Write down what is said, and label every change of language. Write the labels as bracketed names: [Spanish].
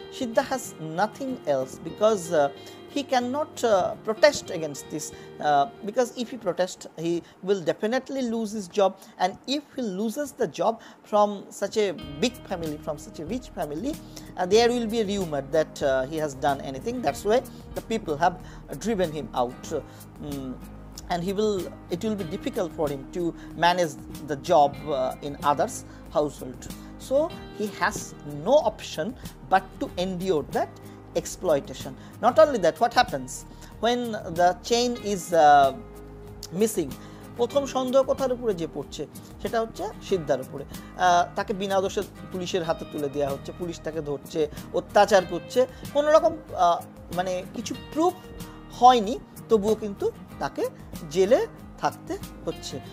[English] Siddha has nothing else because he can not protest against this, because if he protest he will definitely lose his job, and if he loses the job from such a big family, from such a rich family, there will be a rumour that he has done anything, that's why the people have driven him out, and it will be difficult for him to manage the job in others household. So he has no option but to endure that exploitation. Not only that, what happens when the chain is missing? [Bangla] প্রথম সন্দেহ কথার উপরে যে পড়ছে সেটা হচ্ছে সিদ্ধার উপরে। তাকে বিনা দোষে পুলিশের হাতে তুলে দেওয়া হচ্ছে, পুলিশ তাকে ধরছে, অত্যাচার করছে, কোনোরকম মানে কিছু প্রুফ হয়নি, তবুও কিন্তু তাকে জেলে থাকতে হচ্ছে।